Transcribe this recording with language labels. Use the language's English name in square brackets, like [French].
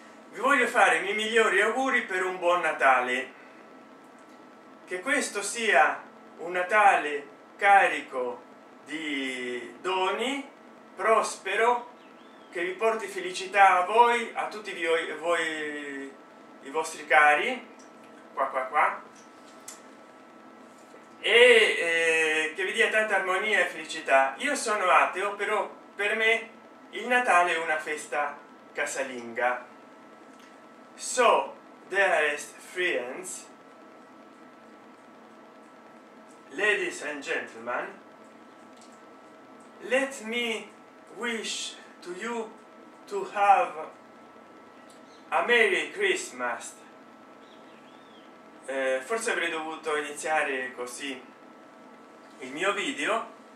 [Italian] vi voglio fare i miei migliori auguri per un buon Natale, che questo sia un Natale carico di doni, prospero, che vi porti felicità a voi, a tutti voi i vostri cari, qua e che vi dia tanta armonia e felicità. Io sono ateo, però per me il Natale è una festa casalinga. [English] So, dearest friends, ladies and gentlemen, let me wish to you to have a Merry Christmas. [Italian] Forse avrei dovuto iniziare così il mio video.